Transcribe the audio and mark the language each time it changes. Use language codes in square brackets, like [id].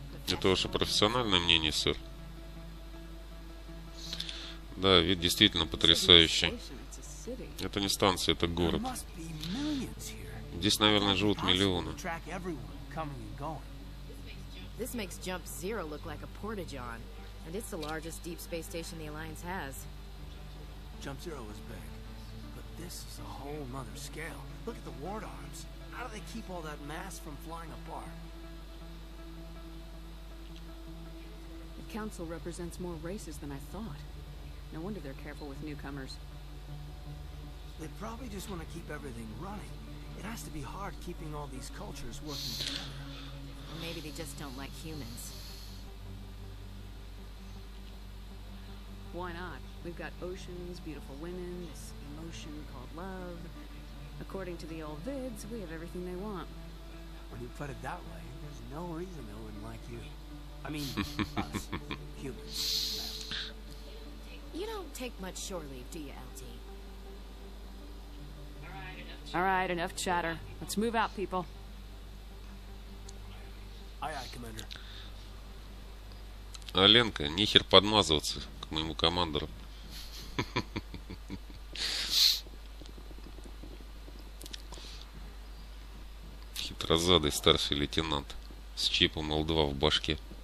[ru] Это ваше профессиональное мнение, сэр. Да, вид действительно потрясающий. Это не станция, это город. Здесь, наверное, живут миллионы. [en] This makes Jump Zero look like a portageon, and it's the largest deep space station the Alliance has. Jump Zero is big, but this is a whole other scale. Look at the ward arms. How do they keep all that mass from flying apart? The Council represents more races than I thought. No wonder they're careful with newcomers. They probably just want to keep everything running. It has to be hard keeping all these cultures working together. Maybe they just don't like humans. Why not? We've got oceans, beautiful women, this emotion called love. According to the old vids, we have everything they want. When you put it that way, there's no reason they wouldn't like you. I mean, us, humans. You don't take much shore leave, do you, LT? All right, enough chatter. Let's move out, people. [ru] А Ленка, нехер подмазываться к моему командору. Хитрозадый старший лейтенант с чипом L2 в башке.